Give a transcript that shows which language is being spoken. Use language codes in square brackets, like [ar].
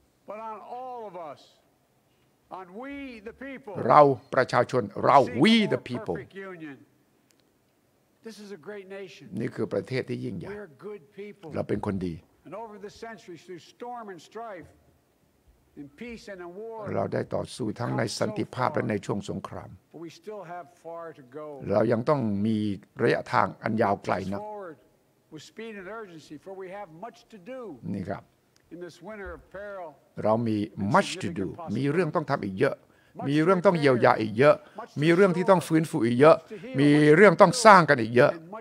[en] But on all of us, on we the people. [th] เราประชาชนเรา [en] we the people. This is a great nation. [th] นี่คือประเทศที่ยิ่งใหญ่ [en] We're good people. [th] เราเป็นคนดี [en] And over the centuries, through storm and strife, in peace and in war. [th] เราได้ต่อสู้ทั้งในสันติภาพและในช่วงสงคราม [en] But we still have far to go. [th] เรายังต้องมีระยะทางอันยาวไกลนัก [en] forward with speed and urgency, for we have much to do. [th] นี่ครับ [en] In this winter of peril, [th] เรามี [en] much to do [th] มีเรื่องต้องทำอีกเยอะมีเรื่องต้องเยียวยาอีกเยอะมีเรื่องที่ต้องฟื้นฟูอีกเยอะมีเรื่องต้องสร้างกันอีกเยอะ